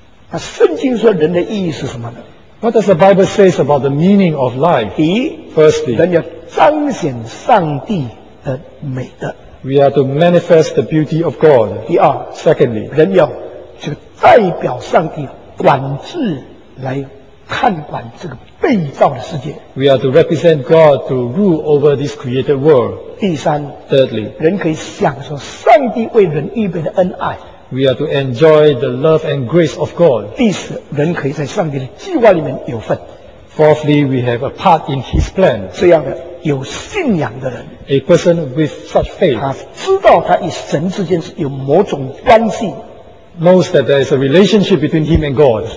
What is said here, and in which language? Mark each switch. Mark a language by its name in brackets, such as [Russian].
[Chinese] 那圣经说人的意义是什么呢？ [English] What does the Bible say about the meaning of life? [Chinese] 第一， [English] Firstly, [Chinese] 人要彰显上帝的美德。 [English] We are to manifest the beauty of God. [Chinese] 第二， [English] Secondly, [Chinese] 人要这个代表上帝管制来看管这个被造的世界。 [English] We are to represent God to rule over this created world. [Chinese] 第三， [English] Thirdly, [Chinese] 人可以享受上帝为人预备的恩爱。 [English] We are to enjoy the love and grace of God. [Chinese] 第四，人可以在上帝的计划里面有份。 [English] Fourthly, we have a part in His plan. [Chinese] 这样的有信仰的人， [English] a person with such faith, [Chinese] 他知道他与神之间是有某种关系， [English] knows that there is a relationship between him and God.